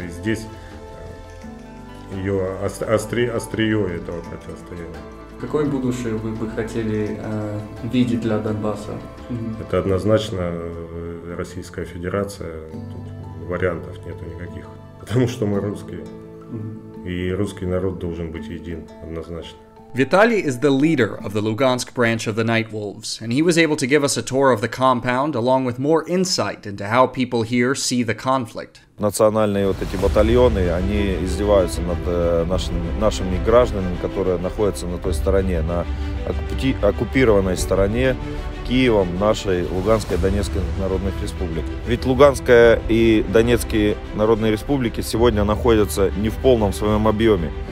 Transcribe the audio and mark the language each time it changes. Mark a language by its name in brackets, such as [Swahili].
[Russian] И здесь ее острие этого противостояния. Какое будущее вы бы хотели видеть для Донбасса? Это однозначно Российская Федерация. Тут вариантов нету никаких. Потому что мы русские. И русский народ должен быть един, однозначно. [English] Vitaly is the leader of the Lugansk branch of the Night Wolves, and he was able to give us a tour of the compound along with more insight into how people here see the conflict. [Russian] Национальные вот эти батальоны, они издеваются над нашими гражданами, которые находятся на той стороне, на оккупированной стороне Киевом нашей Луганской и Донецкой народных республик. Ведь Луганская и Донецкие народные республики сегодня находятся не в полном своем объеме.